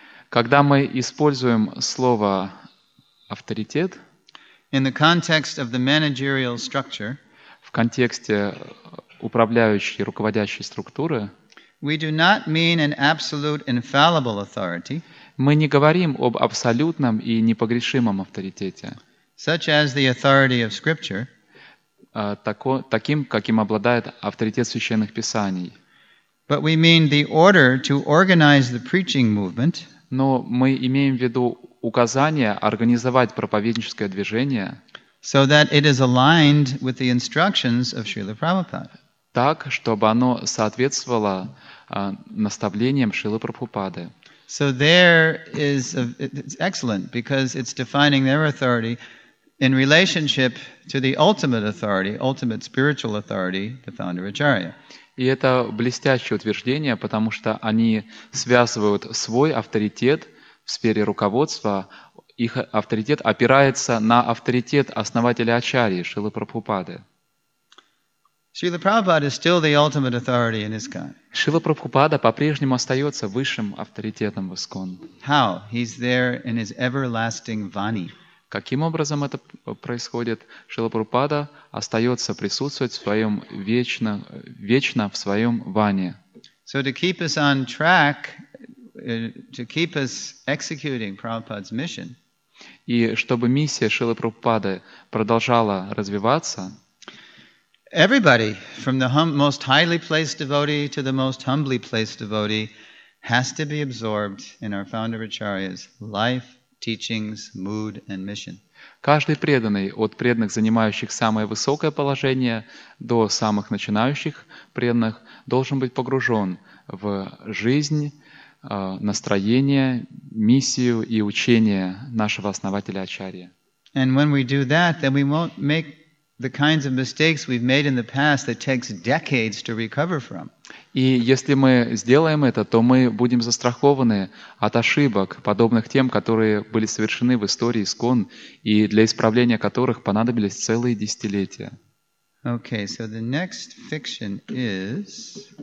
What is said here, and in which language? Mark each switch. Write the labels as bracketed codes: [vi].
[ru] когда мы используем слово авторитет, [en] in the context of the managerial structure, [ru] в контексте управляющей, руководящей структуры, [en] we do not mean an absolute infallible authority, [ru] мы не говорим об абсолютном и непогрешимом авторитете, [en] such as the authority of scripture, [ru] таким, каким обладает авторитет священных писаний. [en] But we mean the order to organize the preaching movement. [ru] Но мы имеем в виду указание организовать проповедническое движение. [en] So that it is aligned with the instructions of Srila Prabhupada. [ru] Так, чтобы оно соответствовало наставлениям Шрилы Прабхупады. [en] So there is it's excellent because it's defining their authority in relationship to the ultimate authority, ultimate spiritual authority, the founder Acharya. [ru] И это блестящее утверждение, потому что они связывают свой авторитет в сфере руководства, их авторитет опирается на авторитет основателя Ачарьи, Шрилы Прабхупады. [en] Шрила Прабхупада is still the ultimate authority in ISKCON. [ru] Шрила Прабхупада по-прежнему остается высшим авторитетом в ISKCON. [en] How? He's there in his everlasting vani. [ru] Каким образом это происходит? Шрила Прабхупада остается присутствовать в своем вечно в своем ване. [en] So to keep us on track, to keep us executing Prabhupada's mission. [ru] И чтобы миссия Шрилы Прабхупады продолжала развиваться. [en] Everybody, from the most highly placed devotee to the most humbly placed devotee, has to be absorbed in our founder Acharya's life, teachings, mood, and mission. [ru] Каждый преданный, от преданных, занимающих самое высокое положение, до самых начинающих преданных, должен быть погружен в жизнь, настроение, миссию и учение нашего основателя Ачарьи. [en] And when we do that, then we won't make the kinds of mistakes we've made in the past that takes decades to recover from. [ru] И если мы сделаем это, то мы будем застрахованы от ошибок, подобных тем, которые были совершены в истории ISKCON, и для исправления которых понадобились целые десятилетия. [en] Okay, so the next fiction is...